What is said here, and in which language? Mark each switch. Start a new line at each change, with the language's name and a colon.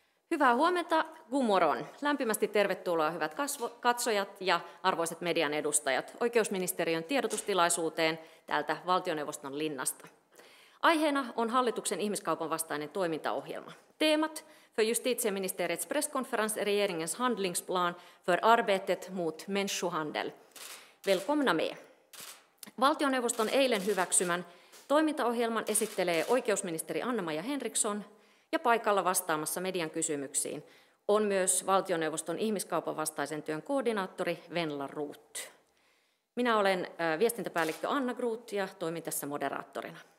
Finnish: Hyvää huomenta, gumoron. Lämpimästi tervetuloa hyvät katsojat ja arvoisat median edustajat oikeusministeriön tiedotustilaisuuteen täältä Valtioneuvoston linnasta. Aiheena on hallituksen ihmiskaupan vastainen toimintaohjelma.
Swedish: Teemat för justitieministeriets presskonferens är regeringens handlingsplan för arbetet mot människohandel. Välkomna med.
Finnish: Valtioneuvoston eilen hyväksymän toimintaohjelman esittelee oikeusministeri Anna-Maija Henriksson, ja paikalla vastaamassa median kysymyksiin on myös Valtioneuvoston ihmiskaupan vastaisen työn koordinaattori Venla Roth. Minä olen viestintäpäällikkö Anna Groth ja toimin tässä moderaattorina.